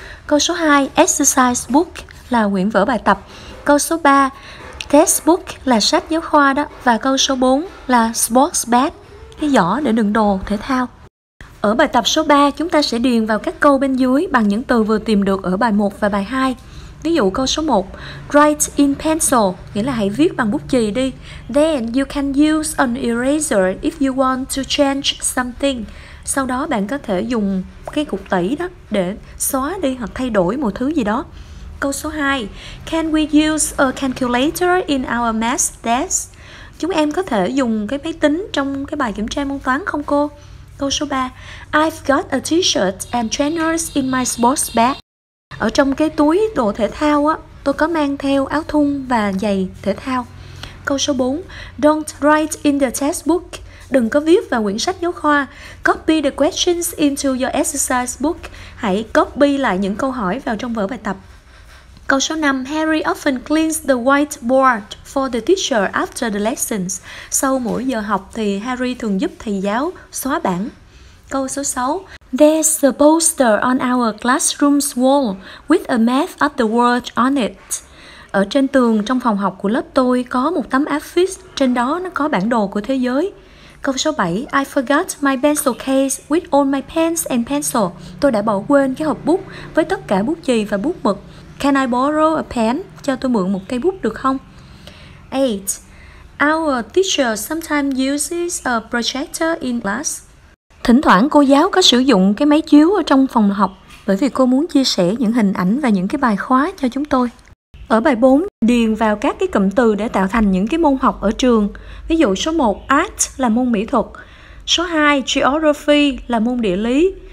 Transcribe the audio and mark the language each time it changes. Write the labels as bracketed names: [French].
[Vietnamese] Câu số 2, exercise book là quyển vở bài tập. Câu số 3, textbook là sách giáo khoa đó. Và câu số 4 là sports bag, cái giỏ để đựng đồ thể thao. Ở bài tập số 3, chúng ta sẽ điền vào các câu bên dưới bằng những từ vừa tìm được ở bài 1 và bài 2. Ví dụ câu số 1, [English] write in pencil, [Vietnamese] nghĩa là hãy viết bằng bút chì đi. [English] Then you can use an eraser if you want to change something. [Vietnamese] Sau đó bạn có thể dùng cái cục tẩy đó để xóa đi hoặc thay đổi một thứ gì đó. Câu số 2, [English] can we use a calculator in our math test? [Vietnamese] Chúng em có thể dùng cái máy tính trong cái bài kiểm tra môn toán không cô? Câu số 3, [English] I've got a t-shirt and trainers in my sports bag. [Vietnamese] Ở trong cái túi đồ thể thao á, tôi có mang theo áo thun và giày thể thao. Câu số 4, [English] don't write in the textbook. [Vietnamese] Đừng có viết vào quyển sách giáo khoa. [English] Copy the questions into your exercise book. [Vietnamese] Hãy copy lại những câu hỏi vào trong vở bài tập. Câu số 5, [English] Harry often cleans the whiteboard for the teacher after the lessons. [Vietnamese] Sau mỗi giờ học thì Harry thường giúp thầy giáo xóa bảng. Câu số 6, [English] there's a poster on our classroom's wall with a map of the world on it. [Vietnamese] Ở trên tường trong phòng học của lớp tôi có một tấm affix, trên đó nó có bản đồ của thế giới. Câu số 7, [English] I forgot my pencil case with all my pens and pencil. [Vietnamese] Tôi đã bỏ quên cái hộp bút với tất cả bút chì và bút mực. [English] Can I borrow a pen? [Vietnamese] Cho tôi mượn một cây bút được không? 8. [English] Our teacher sometimes uses a projector in class. [Vietnamese] Thỉnh thoảng cô giáo có sử dụng cái máy chiếu ở trong phòng học bởi vì cô muốn chia sẻ những hình ảnh và những cái bài khóa cho chúng tôi. Ở bài 4, điền vào các cái cụm từ để tạo thành những cái môn học ở trường. Ví dụ số 1, art là môn mỹ thuật. Số 2, geography là môn địa lý.